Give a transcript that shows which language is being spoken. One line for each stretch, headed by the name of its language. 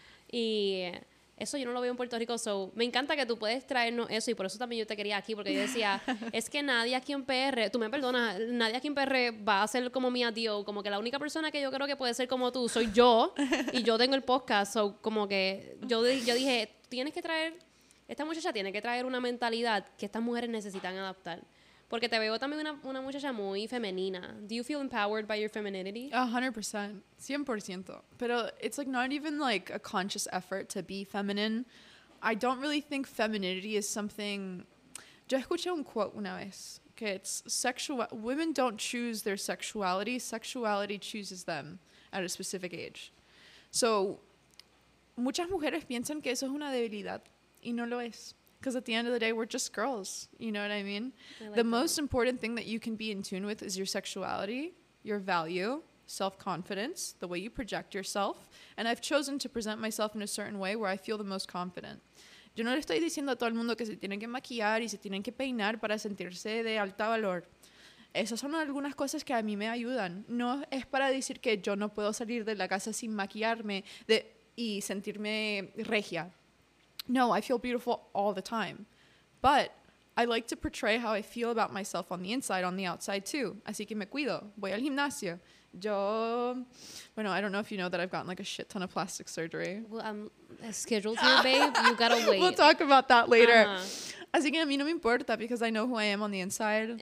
Spanish: Y eso yo no lo veo en Puerto Rico, so me encanta que tú puedes traernos eso, y por eso también yo te quería aquí, porque yo decía, es que nadie aquí en PR, tú me perdonas, nadie aquí en PR va a ser como Mia Dio, como que la única persona que yo creo que puede ser como tú soy yo, y yo tengo el podcast, so como que yo dije, tienes que traer, esta muchacha tiene que traer una mentalidad que estas mujeres necesitan adaptar. Porque te veo también una muchacha muy femenina.
English: Do you feel empowered by your femininity? 100%. 100%.
Spanish: Pero
English: it's like not even like a conscious effort to be feminine. I don't really think femininity is something...
Spanish: Yo escuché un quote una vez. Que
English: it's sexual... Women don't choose their sexuality. Sexuality chooses them at a specific age.
Spanish: So, muchas mujeres piensan que eso es una debilidad. Y no lo es.
English: Because at the end of the day, we're just girls. You know what I mean? Most important thing that you can be in tune with is your sexuality, your value, self-confidence, the way you project yourself. And I've chosen to present myself in a certain way where I feel the most confident.
Spanish: Yo no le estoy diciendo a todo el mundo que se tienen que maquillar y se tienen que peinar para sentirse de alta valor. Esas son algunas cosas que a mí me ayudan. No es para decir que yo no puedo salir de la casa sin maquillarme y sentirme regia.
English: No, I feel beautiful all the time. But I like to portray how I feel about myself on the inside, on the outside too.
Spanish: Así que me cuido. Voy al gimnasio. Yo, bueno,
English: I don't know if you know that I've gotten like a shit ton of plastic surgery. Well, I'm scheduled here, babe. You gotta wait. We'll talk about that later. Uh-huh.
Spanish: Así que a mí no me importa
English: because I know who I am on the inside.